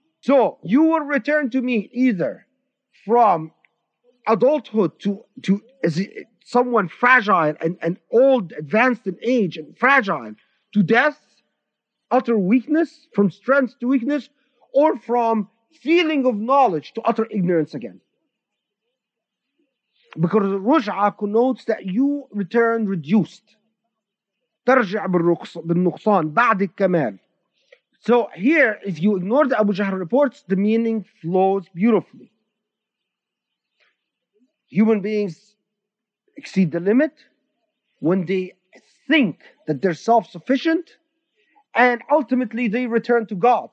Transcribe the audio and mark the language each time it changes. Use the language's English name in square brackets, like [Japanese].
[English] So you will return to me either from adulthood to as it, someone fragile and old, advanced in age and fragile, to death, utter weakness, from strength to weakness, or from feeling of knowledge to utter ignorance again. Because the ruj'a connotes that you return reduced. [Arabic] ترجع بالنقصان بعد الكمال. [English] So here, if you ignore the Abu Jahl reports, the meaning flows beautifully. Human beings exceed the limit when they think that they're self-sufficient, and ultimately they return to God.